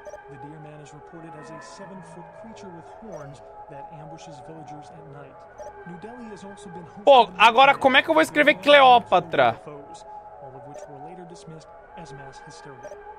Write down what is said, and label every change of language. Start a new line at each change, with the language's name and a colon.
English: The deer man is reported as a 7-foot creature with horns that ambushes villagers at night. New Delhi has also been hosted.
Portuguese: Pô, agora como é que eu vou escrever Cleópatra?
English: All of which were later dismissed as mass hysteria.